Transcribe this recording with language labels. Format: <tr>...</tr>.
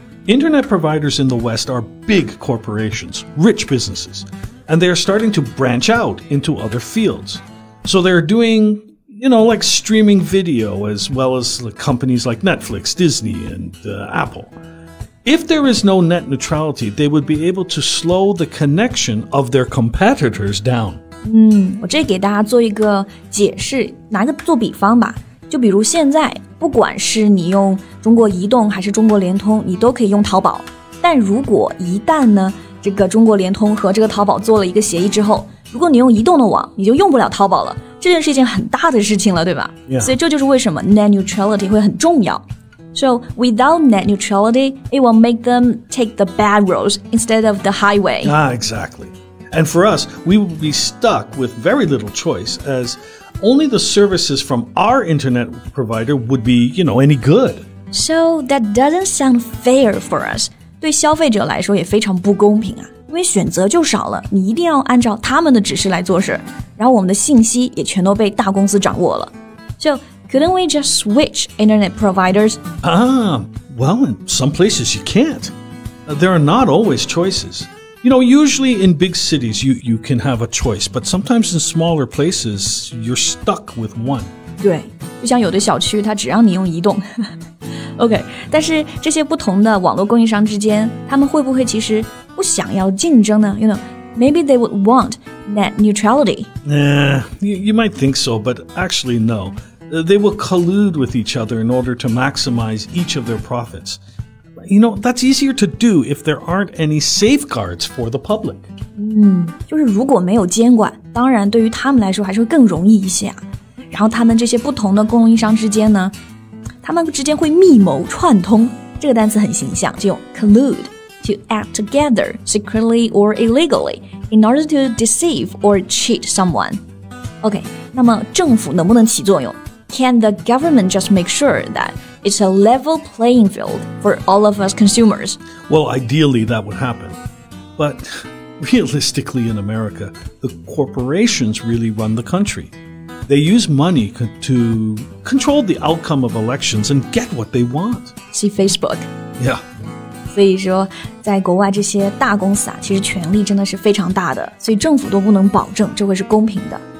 <en>Internet providers in the West are big corporations, rich businesses, and they are starting to branch out into other fields. So they're doing, you know, like streaming video as well as companies like Netflix, Disney, and Apple. If there is no net neutrality, they would be able to slow the connection of their competitors down.</en> <zh>我这给大家做一个解释，拿个做比方吧。就比如现在，不管是你用中国移动还是中国联通，你都可以用淘宝。但如果一旦呢，这个中国联通和这个淘宝做了一个协议之后，如果你用移动的网，你就用不了淘宝了。这件事情很大的事情了，对吧？</zh> <en>Yeah.</en> <zh>所以这就是为什么 net neutrality 会很重要。</zh> <en>So without net neutrality, it will make them take the bad roads instead of the highway. Ah, exactly. And for us, we will be stuck with very little choice as only the services from our internet provider would be, you know, any good. So that doesn't sound fair for us.</en> <zh>对消费者来说也非常不公平啊。因为选择就少了，你一定要按照他们的指示来做事，然后我们的信息也全都被大公司掌握了。</zh> <en>So,Couldn't we just switch internet providers? Ah, well, in some places you can't. There are not always choices. You know, usually in big cities you can have a choice, but sometimes in smaller places, you're stuck with one.</en> <zh>对，就像有的小区它只让你用移动。OK, 但是这些不同的网络供应商之间，他们会不会其实不想要竞争呢？</zh> <en>You know,Maybe they would want net neutrality. Nah, you might think so, but actually no. They will collude with each other in order to maximize each of their profits. You know, that's easier to do if there aren't any safeguards for the public.</en> <zh>就是如果没有监管，当然对于他们来说还是会更容易一些啊。然后他们这些不同的供应商之间呢，他们之间会密谋串通，这个单词很形象，就用 collude.</zh> <en>To act together, secretly or illegally, in order to deceive or cheat someone.</en> <zh>Okay, 那么政府能不能起作用?</zh> <en>Can the government just make sure that it's a level playing field for all of us consumers? Well, ideally that would happen. But realistically in America, the corporations really run the country. They use money to control the outcome of elections and get what they want. See Facebook. Yeah.</en> <zh>所以说在国外这些大公司啊，其实权力真的是非常大的，所以政府都不能保证这会是公平的。</zh>